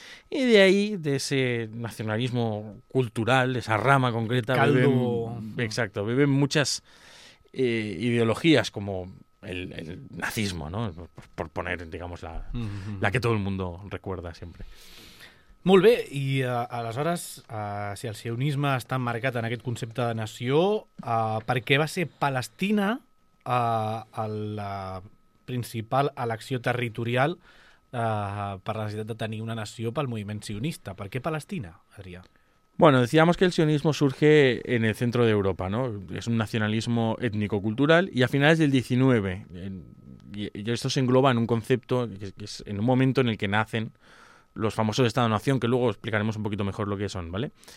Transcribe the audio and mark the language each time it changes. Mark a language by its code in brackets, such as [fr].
[es] Y de ahí, de ese nacionalismo cultural, esa rama concreta, beben muchas ideologías como el nazismo, ¿no?, por poner, digamos, la que todo el mundo recuerda siempre. [ca] Molt bé, i aleshores, si el sionisme està marcat en aquest concepte de nació, per què va ser Palestina la principal elecció territorial per la necessitat de tenir una nació pel moviment sionista? Per què Palestina, Adrià? [es] Bueno, decíamos que el sionismo surge en el centro de Europa, ¿no? Es un nacionalismo étnico-cultural y a finales del 19, y esto se engloba en un concepto, que es en un momento en el que nacen los famosos Estado-Nación, que luego explicaremos un poquito mejor lo que son, ¿vale?